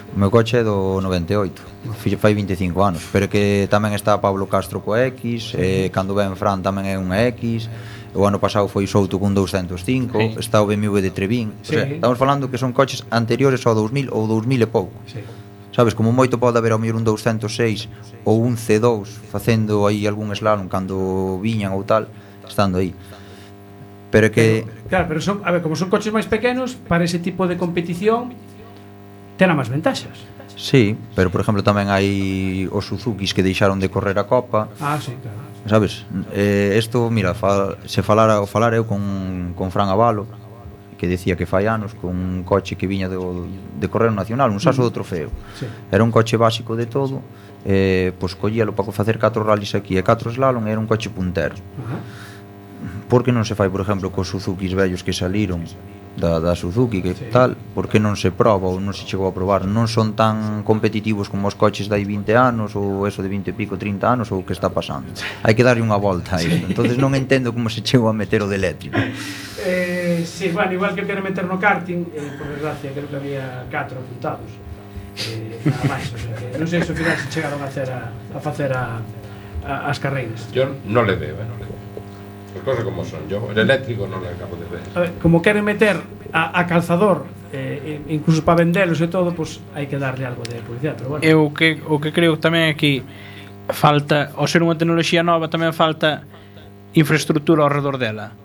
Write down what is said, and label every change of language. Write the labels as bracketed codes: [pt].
[gl] O meu coche é do 98, fai 25 anos, pero que tamén está Pablo Castro co X, cando ven Fran tamén é un X. O ano pasado foi Souto cun 205, sí. Está o BMW de Trevín, sí. O sea, estamos falando que son coches anteriores ao 2000 ou 2000 e pouco, sí. Sabes, como moito pode haber ao mellor un 206 ou un C2 facendo aí algún slalom cando viñan ou tal, estando aí. Pero que... Claro, pero son, a ver, como son coches máis pequenos, para ese tipo de competición terá máis ventaxas. Sí, pero por exemplo tamén hai os Suzukis que deixaron de correr a Copa. Ah, sí, claro. Sabes, esto, mira, se falara o falar eu con Fran Abalo, que decía que fai anos con un coche que viña de correr nacional, un Saso do Trofeo. Sí. Era un coche básico de todo, pois collíalo para facer 4 rallies aquí e 4 slalom, era un coche punter. Uh-huh. Por que non se fai, por exemplo, cos Suzukis vellos que saliron da Suzuki, que sí, tal, por que non se proba ou non se chegou a probar? Non son tan competitivos como os coches de aí 20 anos ou eso de 20 e pico, 30 anos ou o que está pasando. Hai que darlle unha volta a isto. Entonces non entendo como se chegou a meter o de eléctrico. Sí, bueno, igual que quero meter no karting, por desgracia, creo que había 4 apuntados. Nada máis, o sea, non sei se ao final se chegaron a facer as carreiras. [es] Yo non le veo, cosas como son, yo el eléctrico no lo acabo de ver. A ver, como quieren meter a calzador, incluso para venderlos y todo, pues hay que darle algo de publicidad, pero bueno. [gl] Eu que, o que creo tamén é que falta, ao ser unha tecnoloxía nova, tamén falta infraestructura ao redor dela.